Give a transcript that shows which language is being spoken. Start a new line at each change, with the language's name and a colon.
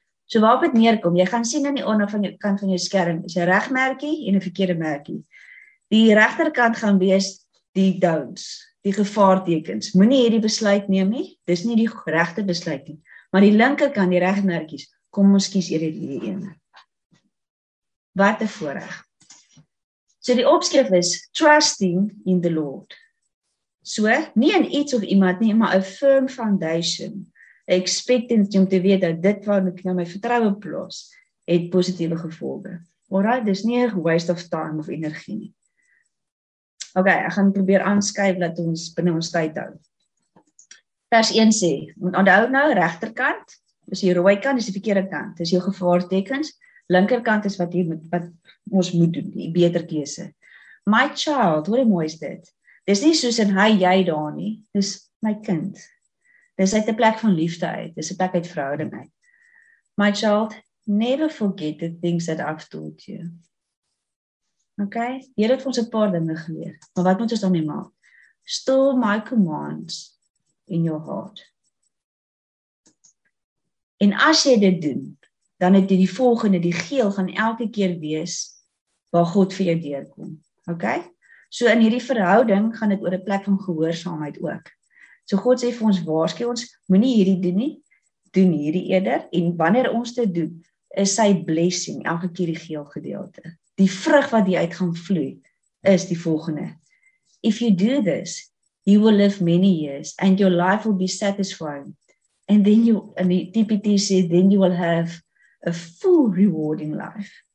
Afrikaans: So waarop het neerkom, jy gaan sien in die onder van jou, kant van jou skerm, is een regmerkie en een verkeerde merkie. Die regterkant gaan wees die downs, die gevaartekens. Moet nie hierdie besluit neem nie, dis nie die regte besluit nie. Maar die linkerkant, die regmerkies, kom ons kies hierdie ene. Wat 'n voorreg. So die opskrif is,
English: trusting in the Lord.
Afrikaans: So, nie in iets of iemand nie, maar
English: a firm foundation. A expectancy
Afrikaans: om te weet dat dit wat ek nou my vertroue plaas, het positieve gevolge. Alright, dis nie een
English: waste of time
Afrikaans: of energie nie. Ok, ek gaan probeer aanskuif dat ons binnen ons tyd hou. Vers 1 sê, onthou nou rechterkant, is die rooi kant, is die verkeerde kant, is jou gevaartekens, linkerkant is wat ons moet doen, die beter keuse.
English: My child,
Afrikaans: hoe mooi is dit? Dit is nie soos in hy, jy daar nie, dit is my kind. Dit is uit die plek van liefde uit, dit is die plek uit verhouding uit.
English: My child, never forget the things that I've told you.
Afrikaans: Okay, jy het ons 'n paar dinge geleer, maar wat moet ons dan nie maak?
English: Still my commands in your heart.
Afrikaans: En as jy dit doen, dan het jy die volgende, die geel, gaan elke keer wees, waar God vir jou deurkom. Okay? So in hierdie verhouding, gaan dit oor 'n plek van gehoorsaamheid ook. So God sê vir ons, waarskei ons, moenie hierdie doen nie, doen hierdie eerder, en wanneer ons dit doen, is sy blessing, elke keer die geel gedeelte. Die vrug wat die uitgang vloei, is die volgende.
English: If you do this, you will live many years, and your life will be satisfying. And then you, and the TPT sê, then you will have a full rewarding life.